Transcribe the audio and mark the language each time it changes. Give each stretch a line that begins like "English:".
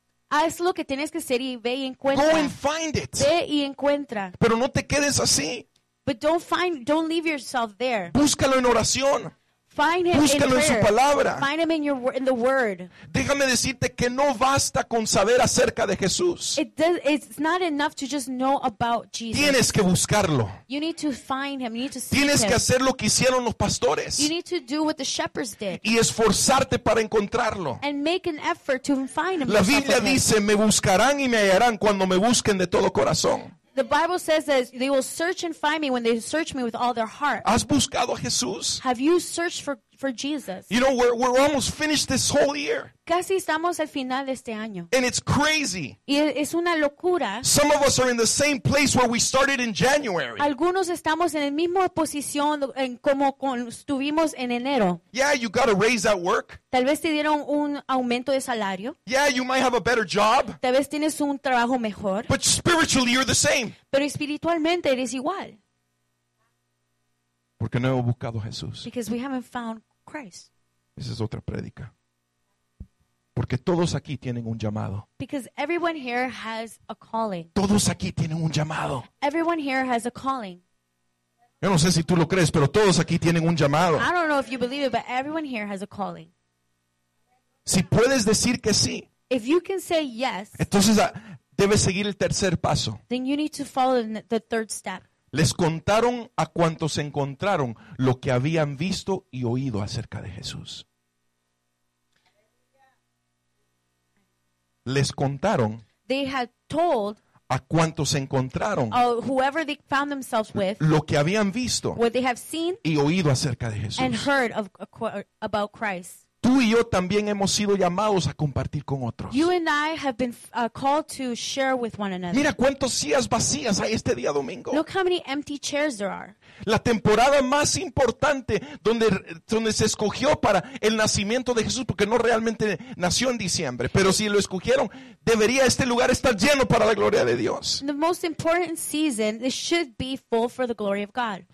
Spanish: Haz lo que tienes que hacer y ve y encuentra.
English: Go and find it.
Spanish: Ve y encuentra. Pero no te quedes así.
English: But don't leave yourself there.
Spanish: Búscalo en oración.
English: Find him
Spanish: búscalo
English: in
Spanish: en su palabra.
English: Find him in the word.
Spanish: Déjame decirte que no basta con saber acerca de Jesús.
English: It's not enough to just know about Jesus.
Spanish: Tienes que buscarlo.
English: You need to find him. You need to seek
Spanish: tienes
English: him.
Spanish: Que hacer lo que hicieron los pastores.
English: You need to do what the shepherds did.
Spanish: Y esforzarte para encontrarlo.
English: And make an effort to find him.
Spanish: La Biblia dice, me buscarán y me hallarán cuando me busquen de todo corazón.
English: The Bible says that they will search and find me when they search me with all their heart.
Spanish: ¿Has buscado a Jesús?
English: Have you searched for Jesus? You know, we're almost finished this whole year.
Spanish: Casi estamos al final de este año.
English: And it's crazy.
Spanish: Y es una locura.
English: Some of us are in the same place where we started in January.
Spanish: Algunos estamos en la misma posición en como estuvimos en enero.
English: Yeah, you got a raise at work.
Spanish: Tal vez te dieron un aumento de salario.
English: Yeah, you might have a better job.
Spanish: Tal vez tienes un trabajo mejor.
English: But spiritually you're the same.
Spanish: Pero espiritualmente eres igual. Porque no hemos buscado a Jesús.
English: Because we haven't found Christ.
Spanish: Esa es otra prédica. Porque todos aquí tienen un llamado.
English: Because everyone here has a calling.
Spanish: Todos aquí tienen un llamado.
English: Everyone here has a calling.
Spanish: Yo no sé si tú lo crees, pero todos aquí tienen un llamado.
English: I don't know if you believe it, but everyone here has a calling.
Spanish: Si puedes decir que sí.
English: If you can say yes.
Spanish: Entonces debes seguir el tercer paso.
English: Then you need to follow the third step.
Spanish: Les contaron a cuantos se encontraron lo que habían visto y oído acerca de Jesús. Les contaron
English: they had told
Spanish: a cuantos se encontraron
English: whoever they found themselves with
Spanish: lo que habían visto
English: what they have seen
Spanish: y oído acerca de Jesús.
English: And heard about Christ.
Spanish: Tú y yo también hemos sido llamados a compartir con otros.
English: You and I have been called to share with one another.
Spanish: Mira cuántas sillas vacías hay este día domingo.
English: Look how many empty chairs there are.
Spanish: La temporada más importante donde se escogió para el nacimiento de Jesús, porque no realmente nació en diciembre, pero si lo escogieron, debería este lugar estar lleno para la gloria de Dios.
English: The most important season, it should be full for the glory of God.